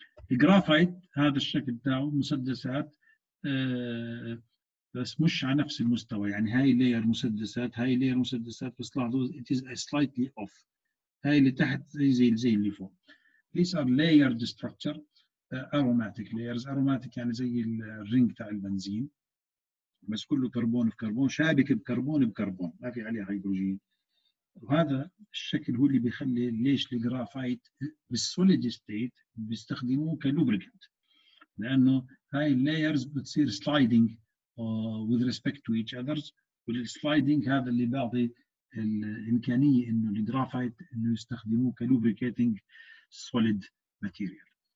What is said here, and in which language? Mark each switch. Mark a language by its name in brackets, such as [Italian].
[Arabic] الجرافايت هذا الشكل بتاعه مسدسات بس مش على نفس المستوى، يعني هاي لير مسدسات هاي لير مسدسات، بس لاحظوا [English] it is slightly off، [Arabic] هاي اللي تحت زي اللي فوق. [English] These are layered structure aromatic layers. [Arabic] aromatic يعني زي الرينج تاع البنزين، بس كله كربون في كربون، شابك بكربون بكربون، ما في عليه هيدروجين. وهذا الشكل هو اللي بيخلي ليش الجرافايت بالسوليد ستيت بيستخدموه كلوبريكنت، لانه هاي اللايرز بتصير سلايدنج وذ ريسبكت تو ايتش اذرز، والسلايدنج هذا اللي بيعطي الامكانيه انه الجرافايت انه يستخدموه كلوبريكيتنج سوليد ماتيريال.